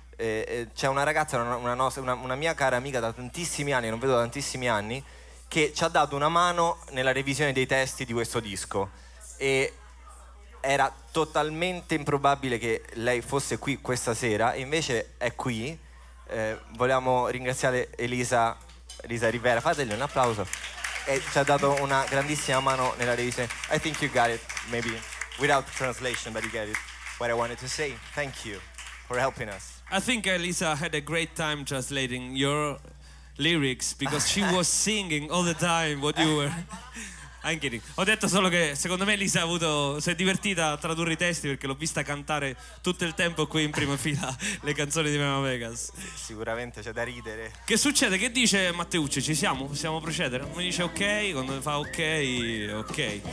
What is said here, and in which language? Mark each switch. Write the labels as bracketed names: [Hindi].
[Italian] C'è una ragazza, una mia cara amica da tantissimi anni, non vedo da tantissimi anni, che ci ha dato una mano nella revisione dei testi di questo disco, e era totalmente improbabile che lei fosse qui questa sera, invece è qui. Vogliamo ringraziare Elisa Rivera, fatele un applauso, e ci ha dato una grandissima mano nella revisione. [English] I think you got it, maybe without translation, but you get it what I wanted to say. Thank you for helping us. I think Elisa had a great time translating your lyrics because she was singing all the time what you were. I'm kidding. [Italian] Ho detto solo che secondo me Elisa si è divertita a tradurre i testi perché l'ho vista cantare tutto il tempo qui in prima fila le canzoni di MAMAVEGAS. Sicuramente c'è da ridere. Che succede? Che dice Matteucci? Ci siamo? Possiamo procedere? Mi dice ok, quando fa ok, ok.